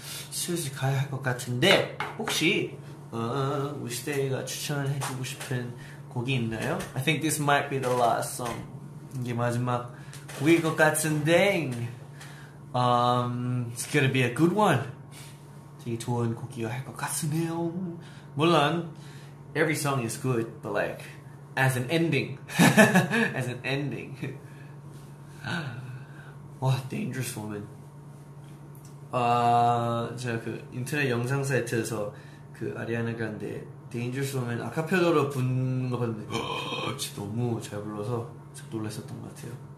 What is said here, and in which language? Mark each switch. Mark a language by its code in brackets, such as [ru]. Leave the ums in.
[ko] 슬슬 가야 할 것 같은데 혹시 어, 우리 시대가 추천해주고 싶은 곡이 있나요? [en] I think this might be the last song. [ko] 이게 마지막 곡일 것 같은데, [en] um, it's gonna be a good one. [ko] 되게 좋은 곡이야 할것 같으네요. [en] 물론 every song is good, but like as an ending, as an ending. [ko] 와, dangerous woman. 아, 제가 그 인터넷 영상 사이트에서 그 아리아나 그란데 Dangerous Woman 아카펠라로 부는 거 봤는데 진짜 너무 잘 불러서 참 놀랐었던 것 같아요.